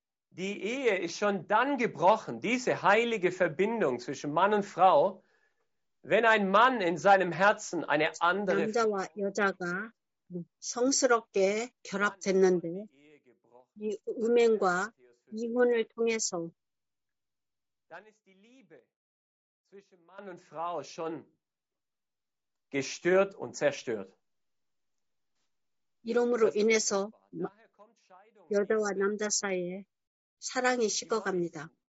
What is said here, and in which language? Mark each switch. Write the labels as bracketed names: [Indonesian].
[German] Die Ehe ist schon dann gebrochen, diese heilige Verbindung zwischen Mann und Frau, wenn ein Mann in seinem Herzen eine andere [Korean] 남자와 여자가 성스럽게 결합됐는데 이 음행과 이혼을 통해서 [German] dann ist die Liebe zwischen Mann und Frau schon gestört und zerstört. [Korean] 이러므로 인해서 여자와 남자 사이에 사랑이 식어갑니다.